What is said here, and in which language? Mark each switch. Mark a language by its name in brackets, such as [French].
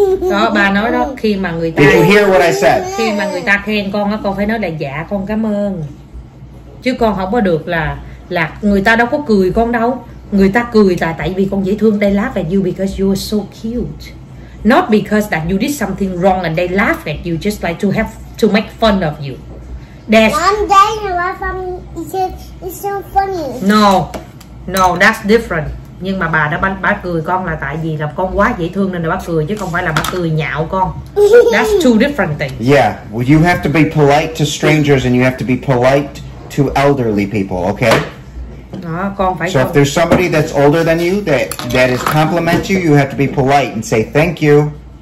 [Vietnamese] Đó, ba nói đó, khi mà người ta, [English] did you hear what I said? [Vietnamese] Khi mà người ta khen con á, con phải nói là dạ con cảm ơn. Chứ con không có được là người ta đâu có cười con đâu. Người ta cười là tại vì con dễ thương, [English] they laugh at you because you are so cute. Not because that you did something wrong and they laugh at you just like to have to make fun of you. That's Mom, Dad, you laugh at me. It's so funny. No, no, that's different. [Vietnamese] Nhưng mà bà đã bắt bà cười con là tại vì là con quá dễ thương nên là bà cười chứ không phải là bà cười nhạo con. [English] That's two different things. Yeah, well, you have to be polite to strangers and you have to be polite to elderly people, okay? So if there's somebody that's older than you that is compliment you, you have to be polite and say thank you.